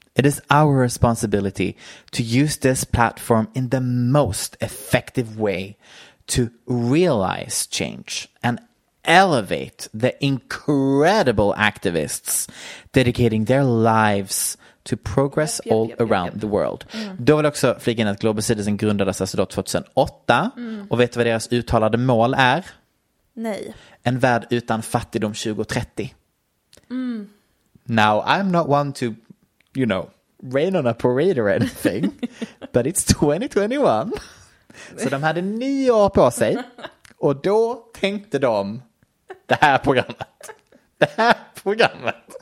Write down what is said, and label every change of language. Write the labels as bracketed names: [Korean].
[English] "It is our responsibility to use this platform in the most effective way to realize change and elevate the incredible activists dedicating their lives to progress all around the world." Mm. [Swedish] Då vill också flika in att Global Citizen grundades alltså 2008. Mm. Och vet du vad deras uttalade mål är? Nej. En värld utan fattigdom 2030. Mm. [English] Now, I'm not one to, you know, rain on a parade or anything, but it's 2021. [Swedish] Så de hade 9 år på sig. Och då tänkte de: det här programmet. Det här programmet.